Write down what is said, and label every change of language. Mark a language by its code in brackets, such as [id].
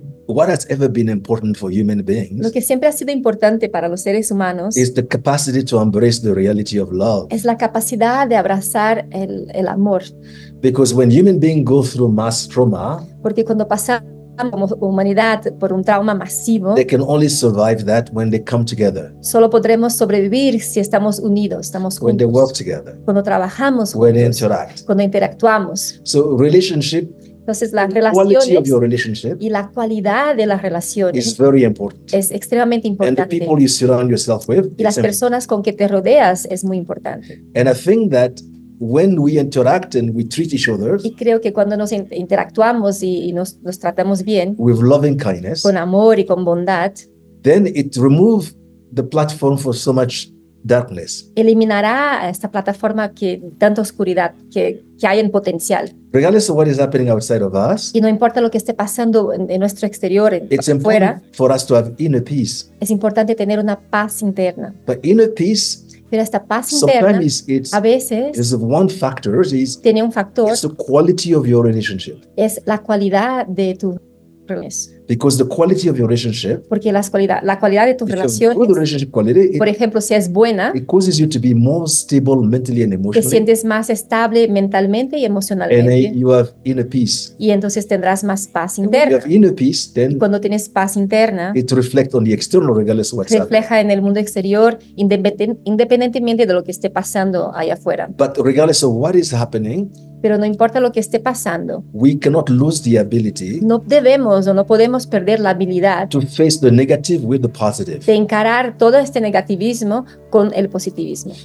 [en] What has ever been important for human beings? [es] Lo que siempre ha sido importante para los seres humanos [en] is the capacity to embrace the reality of love. [es] Es la capacidad de abrazar el amor. [en] Because when human beings go through mass trauma, [es] porque cuando pasamos como humanidad por un trauma masivo, [en] they can only survive that when they come together. [es] Solo podremos sobrevivir si estamos unidos, estamos juntos. [en] When they work together. [es] Cuando trabajamos [en] when [es] juntos. [en] When they interact. [es] Cuando interactuamos. [en] So relationship. [es] Entonces las relaciones [en] quality of your relationship [es] y la cualidad de las relaciones [en] is very important. [es] Es extremadamente importante. [en] And the people you surround yourself with, [es] y las personas con que te rodeas es muy importante. [en] And I think that when we interact and we treat each other, [es] y creo que cuando nos interactuamos y nos tratamos bien, [en] with loving kindness, [es] con amor y con bondad, [en] then it removes the platform for so much darkness. [es] Eliminará esta plataforma que tanta oscuridad que hay en potencial. [en] Regardless of what is happening outside of us, [es] y no importa lo que esté pasando en nuestro exterior, [en] it's important for us to have inner peace. [es] Es importante tener una paz interna. [en] But inner peace. [es] Pero esta paz interna, a veces, [en] is one factor, [es] tiene un factor, [en] it's the quality of your relationship. [es] Es la cualidad de tu relación. [en] Because the quality of your relationship, [es] porque la cualidad de tu relación, por ejemplo, si es buena, [en] it causes you to be more stable mentally and emotionally, [es] te sientes más estable mentalmente y emocionalmente, [en] and you have inner peace. [es] Y entonces tendrás más paz interna. [en] When you have inner peace, then, [es] cuando tienes paz interna, [en] it reflects on the external regardless of what's [es] refleja [en] happening. [es] En el mundo exterior, independientemente de lo que esté pasando allá afuera. [en] But regardless of what is happening, [es] pero no importa lo que esté pasando. [en] We cannot lose the ability. [es] No debemos o no podemos perder la habilidad [en] to face the negative with the positive. [es] De encarar todo este negativismo con el positivismo.